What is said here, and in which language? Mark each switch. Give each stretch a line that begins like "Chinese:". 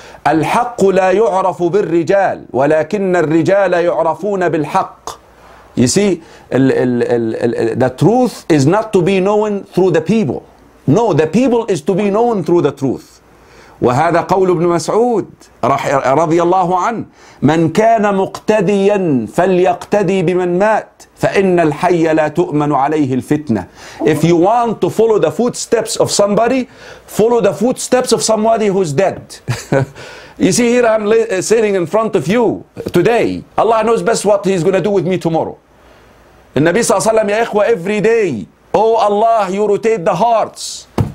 Arabic: الحق لا يعرف بالرجال ولكن الرجال يعرفون بالحق.
English: You see, the truth is not to be known through the people. No, the people is to be known through the truth.
Arabic: وهذا قول ابن مسعود رضي الله عنه. من كان مقتديا فليقتدي بمن مات فإن الحي لا تؤمن عليه الفتنة.
English: If you want to follow the footsteps of somebody, follow the footsteps of somebody who's dead. You see, here I'm sitting in front of you today. Allah knows best what he's going to do with me tomorrow.
Arabic: النبي صلى الله عليه وسلم يا إخوة,
English: every day, oh Allah, you rotate the hearts.